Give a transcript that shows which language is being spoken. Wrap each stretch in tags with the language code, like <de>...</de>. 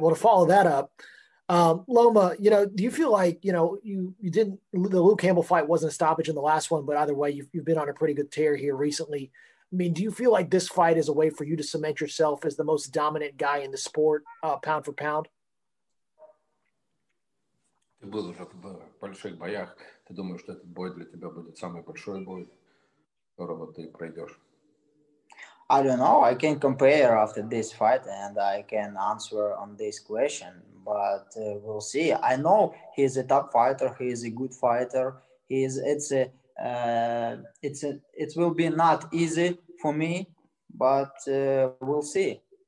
<en>Well, to follow that up, Loma, you know, do you feel like, you know, you didn't, the Luke Campbell fight wasn't a stoppage in the last one, but either way, you've been on a pretty good tear here recently. I mean, do you feel like this fight is a way for you to cement yourself as the most dominant guy in the sport, pound for pound?</en> <uk>Ти був вже в больших боях. Ти думаєш, що цей бой для тебе буде найбільший бой, якого ти пройдеш?</uk> <en>I don't know. I can compare after this fight and I can answer on this question. But we'll see. I know he's a top fighter. He is a good fighter. It will be not easy for me, but we'll see.</en>